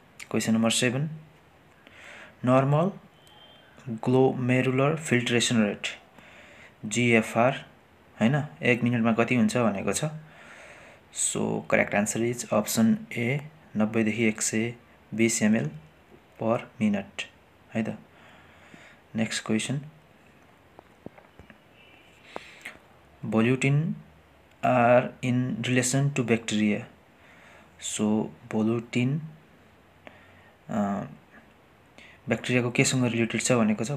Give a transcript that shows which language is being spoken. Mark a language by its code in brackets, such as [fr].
[en] question number seven, [ne] normal glomerular filtration rate जिएफआर होइन एक मिनटमा कति हुन्छ भनेको छ। [en] So correct answer is option A, 90-120 ml per minute है त। Next question, volutin are in relation to bacteria, so [ne] बोल्युटिन ब्याक्टेरियाको केसँग related छ भनेको छ।